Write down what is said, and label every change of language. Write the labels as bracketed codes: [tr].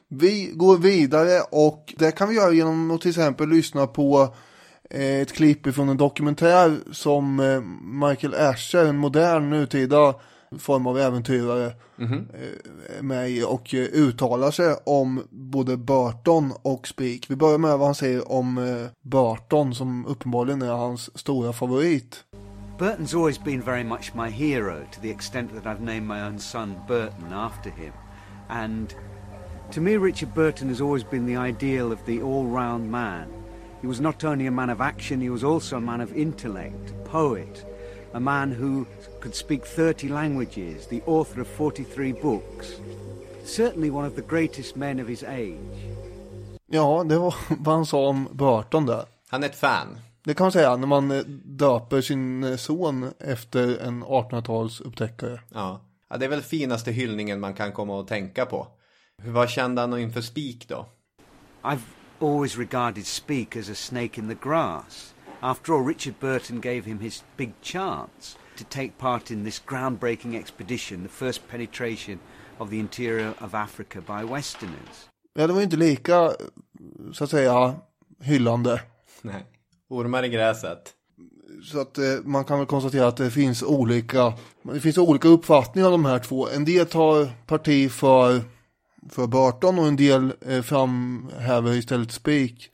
[sv] Vi går vidare och det kan vi göra genom att till exempel lyssna på ett klipp från en dokumentär som Michael Asher, en modern nutida form av äventyrare, med och uttalar sig om både Burton och Speak. Vi börjar med vad han säger om Burton, som uppenbarligen är hans stora favorit. [en] Burton's always been very much my hero, to the extent that I've named my own son Burton after him. And to me, Richard Burton has always been the ideal of the all-round man. He was not only a man of action, he was also a man of intellect, a poet, a man who could speak 30 languages, the author of 43 books. Certainly one of the greatest men of his age. [sv] Ja, det var vad han sa om Burton där. Han är ett fan. Det kan man säga när man döper sin son efter en 1800-tals upptäckare. Ja. Ja, det är väl finaste hyllningen man kan komma och tänka på. Hur var kände han inför Speak då? [en] I've always regarded Speak as a snake in the grass. After all, Richard Burton gave him his big chance to take part in this groundbreaking expedition, the first penetration of the interior of Africa by Westerners. [sv] Ja, det var inte lika, så att säga, hyllande. Nej, ormar i gräset. Så att man kan väl konstatera att det finns olika uppfattningar av de här två. En del tar parti för Burton och en del framhäver istället Speak,